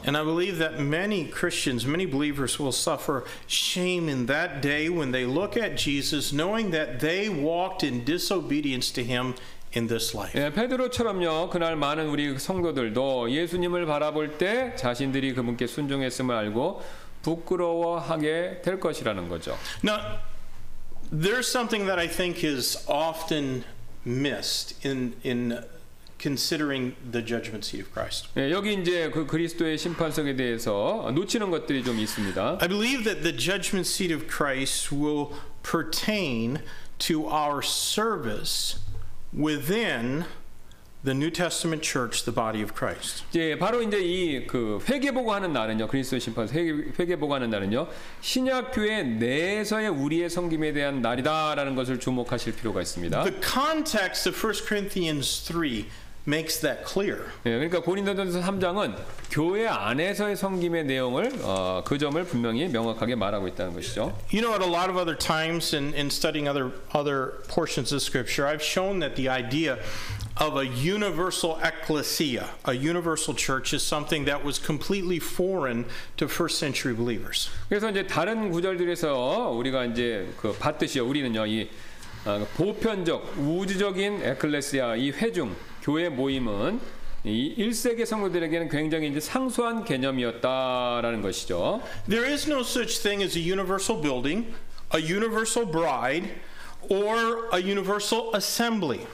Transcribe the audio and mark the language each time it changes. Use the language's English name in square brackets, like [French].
[English] And I believe that many Christians, many believers will suffer shame in that day when they look at Jesus knowing that they walked in disobedience to him in this life. [Korean] 예, 베드로처럼요 그날 많은 우리 성도들도 예수님을 바라볼 때 자신들이 그분께 순종했음을 알고 부끄러워하게 될 것이라는 거죠. [English] Now, there's something that I think is often missed in considering the judgment seat of Christ. [Korean] 예, 여기 이제 그 그리스도의 심판석에 대해서 놓치는 것들이 좀 있습니다. [English] I believe that the judgment seat of Christ will pertain to our service within the New Testament church, the body of Christ. [Korean] 예, 바로 이제 이 그 회개보고 하는 날은요. 그리스도의 심판 회개보고 하는 날은요. 신약 교회 내에서의 우리의 섬김에 대한 날이다라는 것을 주목하실 필요가 있습니다. [English] The context of 1 Corinthians 3 makes that clear. [Korean] 예, 그러니까 고린도전서 3장은 교회 안에서의 섬김의 내용을 그 점을 분명히 명확하게 말하고 있다는 것이죠. [English] You know, at a lot of other times in studying other portions of scripture, I've shown that the idea of a universal ecclesia, a universal church, is something that was completely foreign to first century believers. [Korean] 그래서 이제 다른 구절들에서 우리가 이제 그 봤듯이요, 우리는요 이 보편적 우주적인 에클레시아 이 회중 교회 모임은 이 1세기 성도들에게는 굉장히 이제 상소한 개념이었다라는 것이죠. [English] There is no such thing as a universal building, a universal bride, or a universal assembly.